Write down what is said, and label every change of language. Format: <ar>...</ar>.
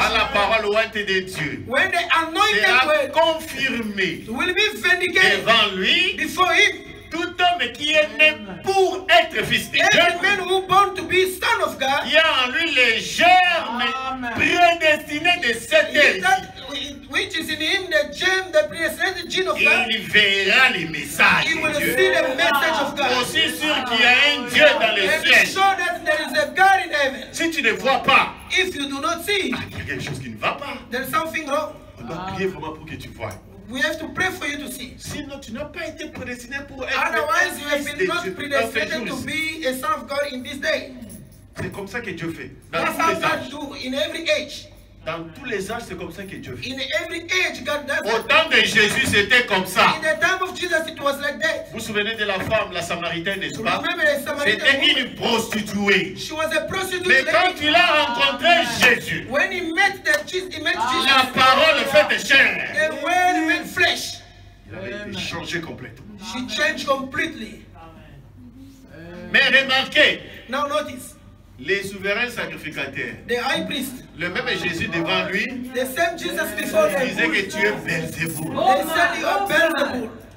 <fr>À la parole ouinte de Dieu.</fr> <en>When the anointed word</en> <fr>sera confirmé.</fr> <en>Will be vindicated.</en> <fr>Devant lui.</fr> <en>Before him.</en> <fr>Tout homme qui est né pour être fils de Dieu.</fr> <en>Every man who born to be son of God.</en> <fr>Il y a en lui les germes prédestinés de cette ère.</fr> <en>Which is in him the germ, the predestined gene of God.</en> <fr>Il verra les messages.</fr> <en>He will see the message of God.</en> <fr>Aussi sûr qu'il y a un Dieu dans le ciel.</fr> <en>And show that there is a God in heaven.</en> <fr>Si tu ne vois pas.</fr> <en>If you do not see.</en> <fr>Il y a quelque chose qui ne va pas.</fr> <en>There is something wrong.</en> <fr>On doit prier vraiment pour que tu vois.</fr> <en>We have to pray for you to see.</en> <fr>Sinon, tu n'as pas été prédestiné pour être.</fr> <en>Otherwise, you have been not</en> <fr>Dieu</fr> <en>predestined to be a son of God in this day.</en> <fr>C'est comme ça que Dieu fait. Dans</fr> <en>that's how God do in every age.</en> <fr>Dans tous les âges, c'est comme ça que Dieu fait.</fr> <en>In every age, God does.</en> <fr>Au temps de Jésus, c'était comme ça.</fr> <en>In the time of Jesus, it was like that.</en> <fr>Vous vous souvenez de la femme, la Samaritaine, n'est-ce pas?</fr> <en>Remember the Samaritan.</en> <fr>C'était une prostituée.</fr> <en>She was a prostitute.</en> <fr>Mais quand il a rencontré Jésus,</fr> <en>when he met the Jesus, he met Jesus.</en> <fr>La parole fait chair.</fr> <en>The word made flesh.</en> <fr>Il avait changé complètement.</fr> <en>She changed completely.</en> <fr>Mais remarquez.</fr> <en>Now notice.</en> <fr>Les souverains sacrificateurs.</fr> <en>The high priest.</en> <fr>Le même Jésus devant lui.</fr> <en>The same Jesus before him.</en> <fr>Disait que tu es Belzéboul.</fr> <en>They said you are Belzéboul.</en>